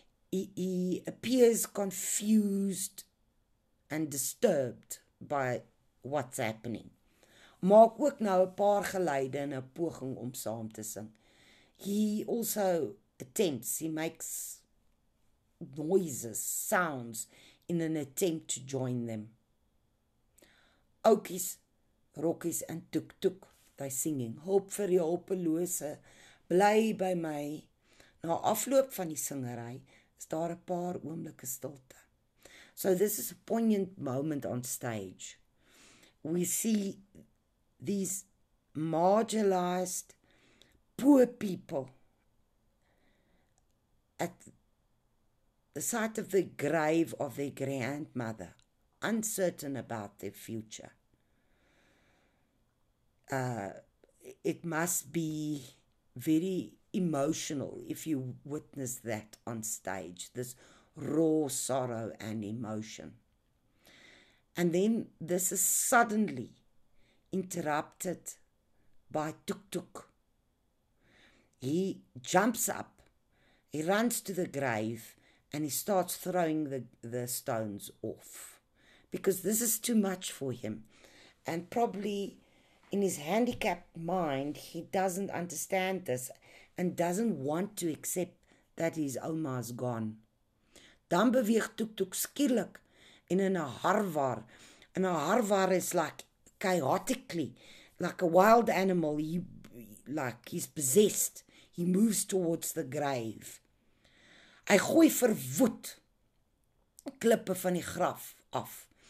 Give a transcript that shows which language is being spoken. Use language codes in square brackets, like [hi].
[en] He appears confused and disturbed by what's happening. [af] Maak ook nou 'n paar geluide in 'n poging om saam te sing. [en] He also attempts, he makes noises, sounds, in an attempt to join them. [af] Okies, Rokkies en Toek Toek. [en] By singing, [af] hoop vir die hopelose, bly by my. Na afloop van die singery, is daar 'n paar oomblikke stilte. [en] So this is a poignant moment on stage. We see these marginalized, poor people at the site of the grave of their grandmother, uncertain about their future. It must be very emotional if you witness that on stage, this raw sorrow and emotion. And then this is suddenly interrupted by Toek Toek. He jumps up, he runs to the grave, and he starts throwing the stones off. Because this is too much for him. And probably in his handicapped mind, he doesn't understand this and doesn't want to accept that his oma's gone. [af] Dan beweeg Toek Toek skielik en in 'n harwar. In 'n harwar [en] is like chaotically, like a wild animal. He's possessed. He moves towards the grave. [af] Hy gooi verwoed klippe van die graf af.